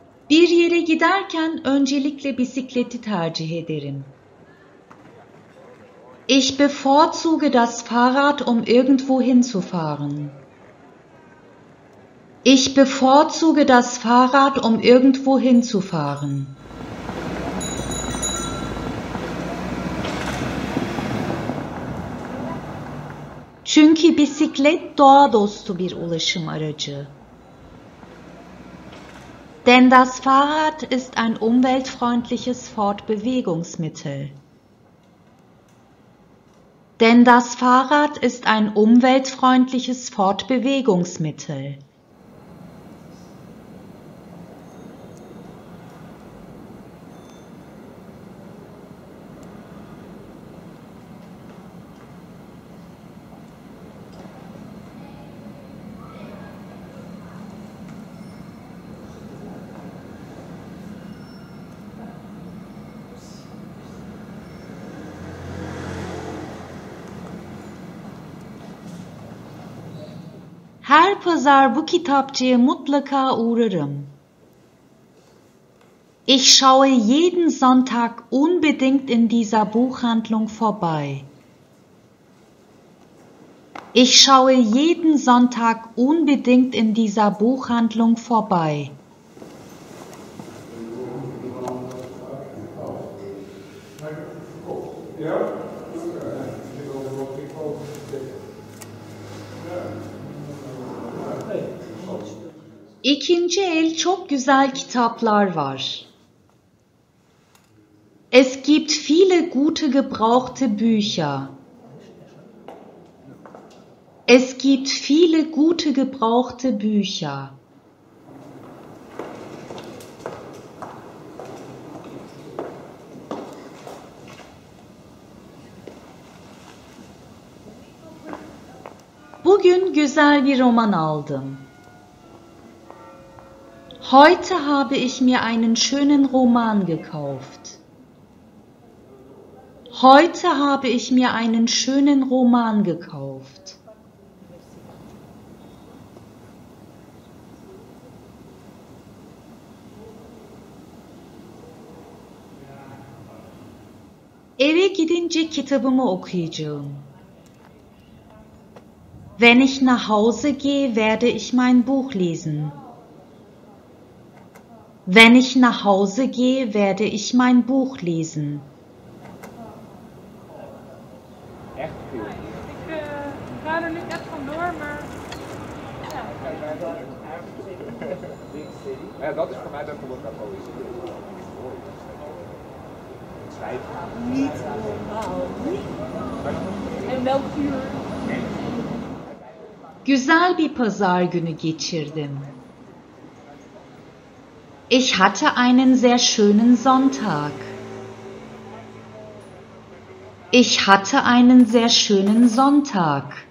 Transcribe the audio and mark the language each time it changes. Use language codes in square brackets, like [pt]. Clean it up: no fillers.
[tr] Bir yere giderken öncelikle bisikleti tercih ederim. [de] Ich bevorzuge das Fahrrad, um irgendwo hinzufahren. Ich bevorzuge das Fahrrad, um irgendwo hinzufahren. [tr] Çünkü bisiklet doğa dostu bir ulaşım aracı. [de] Denn das Fahrrad ist ein umweltfreundliches Fortbewegungsmittel. Denn das Fahrrad ist ein umweltfreundliches Fortbewegungsmittel. [tr] Her pazar bu kitapçıya mutlaka uğrarım. [de] Ich schaue jeden Sonntag unbedingt in dieser Buchhandlung vorbei. Ich schaue jeden Sonntag unbedingt in dieser Buchhandlung vorbei. [tr] İkinci el çok güzel kitaplar var. [de] Es gibt viele gute gebrauchte Bücher. Es gibt viele gute gebrauchte Bücher. [tr] Bugün güzel bir roman aldım. [de] Heute habe ich mir einen schönen Roman gekauft. Heute habe ich mir einen schönen Roman gekauft. [tr] Eve gidince kitabımı okuyacağım. [de] Wenn ich nach Hause gehe, werde ich mein Buch lesen. Wenn ich nach Hause gehe, werde ich mein Buch lesen. [nl] Echt cool. Ich ga er niet echt van door, maar. Ja. Ja, dat is voor mij bijvoorbeeld wel mooi. Niet normaal. En welk uur? [tr] Güzel bir pazar günü geçirdim. [de] Ich hatte einen sehr schönen Sonntag. Ich hatte einen sehr schönen Sonntag.